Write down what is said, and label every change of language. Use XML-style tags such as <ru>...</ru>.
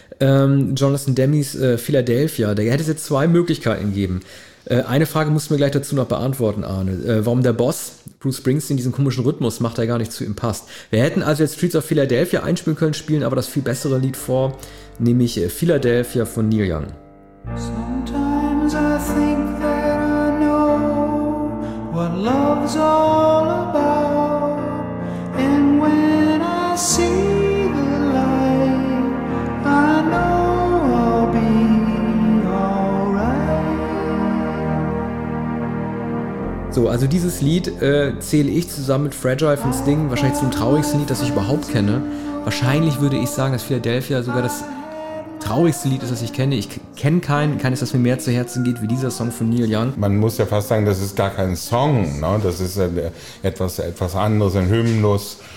<de>Jonathan Demme's Philadelphia. Da hätte es jetzt zwei Möglichkeiten gegeben. Eine Frage musst du mir gleich dazu noch beantworten, Arne. Warum der Boss, Bruce Springsteen, diesen komischen Rhythmus macht, der gar nicht zu ihm passt. Wir hätten also jetzt Streets of Philadelphia einspielen können, spielen aber das viel bessere Lied vor, nämlich Philadelphia von Neil Young.</de> <en>Sometimes I think that I know what love's all about. And when I see the light, I know I'll be alright.</en> <de>So, also dieses Lied zähle ich zusammen mit Fragile von Sting wahrscheinlich zum traurigsten Lied, das ich überhaupt kenne. Wahrscheinlich würde ich sagen, dass Philadelphia sogar das traurigste Lied ist, das ich kenne. Ich kenne keines, das mir mehr zu Herzen geht, wie dieser Song von Neil Young. Man muss ja fast sagen, das ist gar kein Song, ne? Das ist etwas anderes, ein Hymnus.</de>